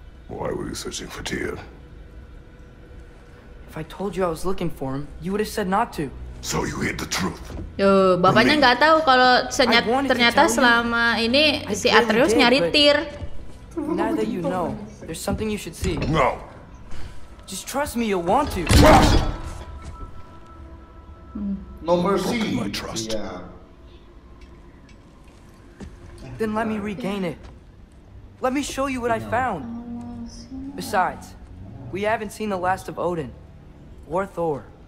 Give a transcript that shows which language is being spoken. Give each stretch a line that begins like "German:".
English: Why were you searching for Tyr? If I told you I was looking for him, you would have said not to. So you hid the truth.
Indonesian: Yo, bapaknya nggak tahu kalau ternyata selama ini si Atreus nyari Tyr.
English: Now that you know, there's something you should see. No. Just trust me, you'll want to. Trust. No mercy. Broken my trust. Yeah. Then let me regain it. Let me show you what I found. Besides, we haven't seen the last of Odin or Thor.